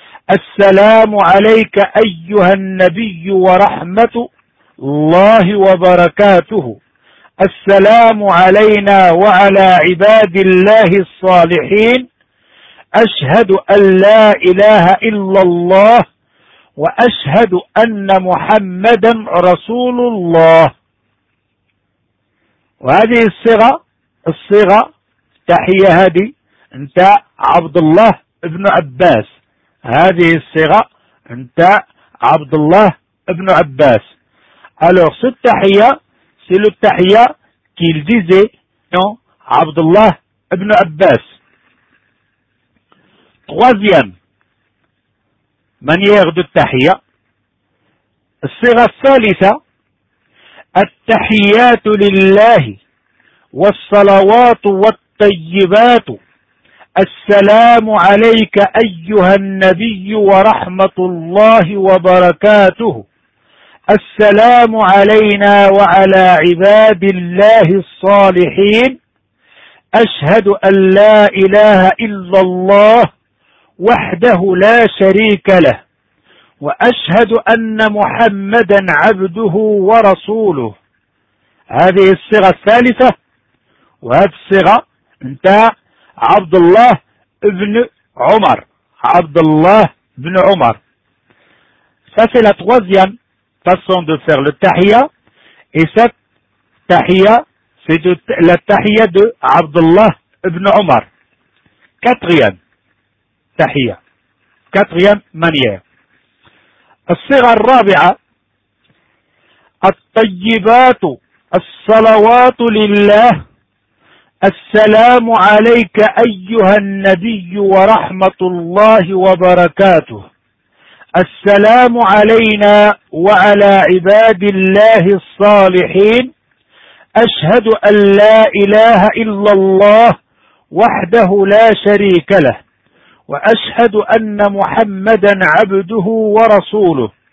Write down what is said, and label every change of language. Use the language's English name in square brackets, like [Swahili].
[Arabic] السلام عليك أيها النبي ورحمة الله وبركاته، السلام علينا وعلى عباد الله الصالحين، أشهد أن لا إله إلا الله وأشهد أن محمدا رسول الله. وهذه الصيغة، الصيغة تحية هذه انت عبد الله ابن عباس، هذه الصيغة انت عبد الله ابن عباس. [French] alors cette tahiyya c'est le tahiyya qu'il disait عبد الله ابن عباس. troisième manière de tahiyya، [Arabic] الصيغة الثالثة، التحيات لله والصلوات والطيبات، السلام عليك أيها النبي ورحمة الله وبركاته، السلام علينا وعلى عباد الله الصالحين، أشهد أن لا إله إلا الله وحده لا شريك له وأشهد أن محمدا عبده ورسوله. هذه الصيغة الثالثة، وهذه الصيغة انتاع عبد الله ابن عمر، عبد الله ابن عمر. [French] ça c'est la troisième façon de faire le tahiyya، et cette tahiyya c'est la tahiyya de عبد الله ابن عمر. quatrième tahiyya، quatrième manière. [Arabic] الصيغة الرابعة، الطيبات الصلوات لله، السلام عليك أيها النبي ورحمة الله وبركاته، السلام علينا وعلى عباد الله الصالحين، أشهد أن لا إله إلا الله وحده لا شريك له وأشهد أن محمدا عبده ورسوله.